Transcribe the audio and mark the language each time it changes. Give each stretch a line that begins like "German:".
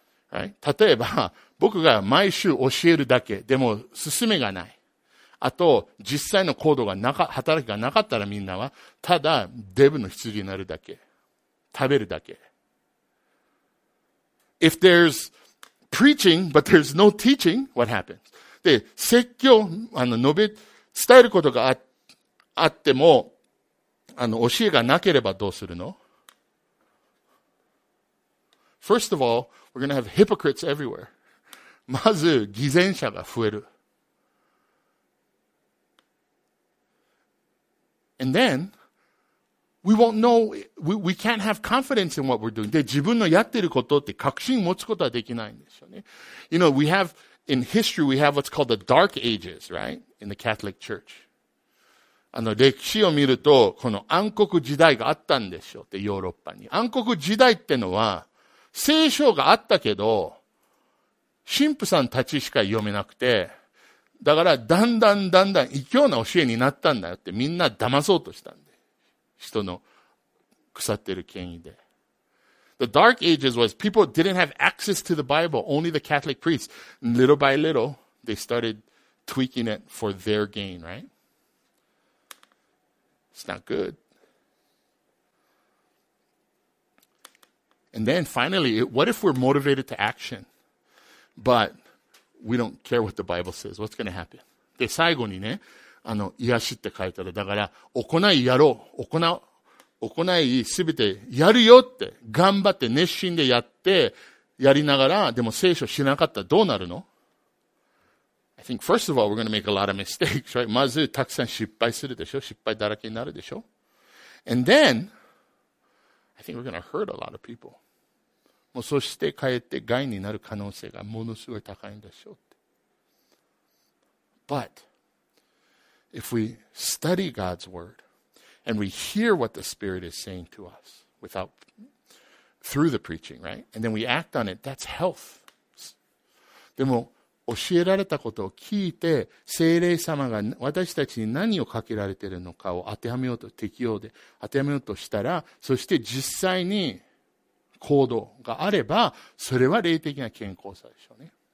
English: Right?
Japanese: 例えば、僕が毎週教えるだけ、でも進めがない。あと、実際の行動がなか、働きがなかったらみんなは、ただ、デブの羊になるだけ。食べるだけ。
English: If there's preaching, but there's no teaching, what happens?
Japanese: で、説教、述べ、伝えることが あっても、教えがなければどうするの？
English: First of all, we're gonna have hypocrites everywhere.
Japanese: まず、偽善者が増える。
English: And then, we won't know, we can't have confidence in what we're doing.
Japanese: で、自分のやってることって確信持つことはできないんですよね。
English: You know, we have, in history, we have what's called the Dark Ages, right? In the Catholic Church.
Japanese: 歴史を見ると、この暗黒時代があったんでしょって、ヨーロッパに。暗黒時代ってのは、聖書があったけど、神父さんたちしか読めなくて、だから、だんだんだんだん、異教な教えになったんだよって、みんな騙そうとしたんで。人の腐ってる権威で。
English: The Dark Ages was people didn't have access to the Bible, only the Catholic priests. Little by little, they started tweaking it for their gain, right? It's not good. And then finally, what if we're motivated to action? But, we don't care what the Bible says. What's going to happen?
Japanese: で、最後にね、癒しって書いてある。だから、行いやろう。行いすべてやるよって、頑張って熱心でやって、やりながら、でも聖書しなかったらどうなるの？
English: I think first of all, we're going to make a lot of mistakes, right?
Japanese: まず、たくさん失敗するでしょ。失敗だらけになるでしょ。
English: And then, I think we're going to hurt a lot of people.
Japanese: もうそして帰って害になる可能性がものすごい高いんでしょうって。
English: But, if we study God's word, and we hear what the Spirit is saying to us, without, through the preaching, right? And then we act on it, that's health.
Japanese: でも、教えられたことを聞いて、聖霊様が私たちに何をかけられているのかを当てはめようと、適用で当てはめようとしたら、そして実際に、行動があれば、それは霊的な健康さでしょうね。